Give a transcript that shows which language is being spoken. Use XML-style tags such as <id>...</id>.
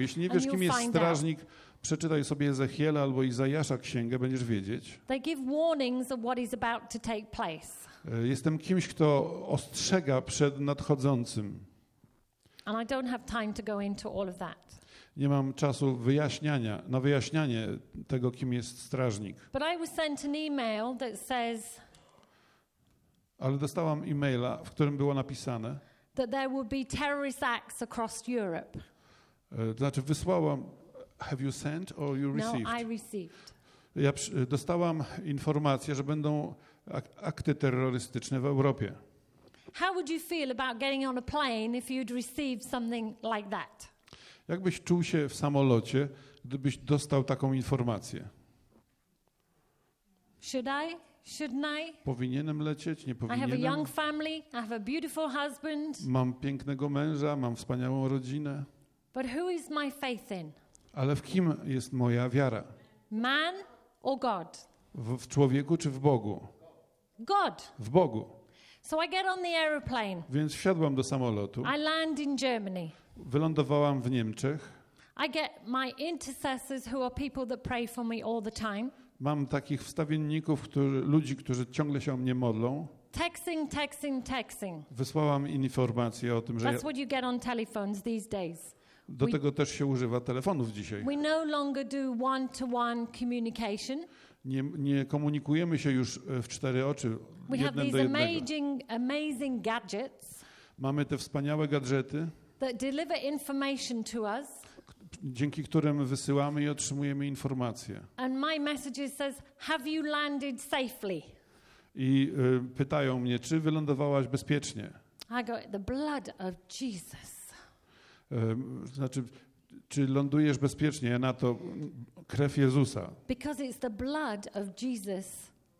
<pl>Jeśli nie wiesz, kim jest strażnik, przeczytaj sobie Ezechiela albo Izajasza księgę, będziesz wiedzieć.</pl> <en>They give warnings of what is about to take place.</en> <pl>Jestem kimś, kto ostrzega przed nadchodzącym.</pl> <en>And I don't have time to go into all of that.</en> <pl>Nie mam czasu wyjaśnianie tego, kim jest strażnik.</pl> <en>But I was sent an email that says,</en> <pl>ale dostałam e-maila, w którym było napisane,</pl> <en>that there will be terrorist acts across Europe.</en> <pl>Znaczy wysłałam,</pl> <en>have you sent or you received? No, I received.</en> <pl>Ja dostałam informację, że będą akty terrorystyczne w Europie.</pl> <en>How would you feel about getting on a plane if you'd received something like that?</en> <pl>Jak byś czuł się w samolocie, gdybyś dostał taką informację?</pl> <en>Should I? Shouldn't I?</en> <pl>Powinienem lecieć, nie powinienem.</pl> <en>I have a young family, I have a beautiful husband.</en> <pl>Mam pięknego męża, mam wspaniałą rodzinę.</pl> <en>But who is my faith in?</en> <pl>Ale w kim jest moja wiara?</pl> <en>Man or God?</en> <pl>W człowieku czy w Bogu?</pl> <en>God.</en> <pl>W Bogu.</pl> <en>So I get on the aeroplane.</en> <pl>Więc wsiadłam do samolotu.</pl> <en>I land in Germany.</en> <pl>Wylądowałam w Niemczech.</pl> <en>I get my intercessors, who are people that pray for me all the time.</en> <pl>Mam takich wstawienników, ludzi, którzy ciągle się o mnie modlą.</pl> <en>Texting, texting, texting.</en> <pl>Wysłałam informacje o tym, że</pl> <en>that's what you get on telephones these days.</en> <pl>Do tego też się używa telefonów dzisiaj.</pl> <en>We no longer do one-to-one communication.</en> <pl>Nie komunikujemy się już w cztery oczy,</pl> <en>we</en> <pl>jednym</pl> <en>have these</en> <pl>do jednego.</pl> <en>Amazing, amazing gadgets.</en> <pl>Mamy te wspaniałe gadżety,</pl> <en>that deliver information to us.</en> <pl>Dzięki którym wysyłamy i otrzymujemy informacje.</pl> <en>And my message says, have you landed safely?</en> <pl>I pytają mnie, czy wylądowałaś bezpiecznie?</pl> <en>I go, the blood of Jesus.</en> <pl>Znaczy, czy lądujesz bezpiecznie? Na to krew Jezusa.</pl> <en>Because it's the blood of Jesus.</en>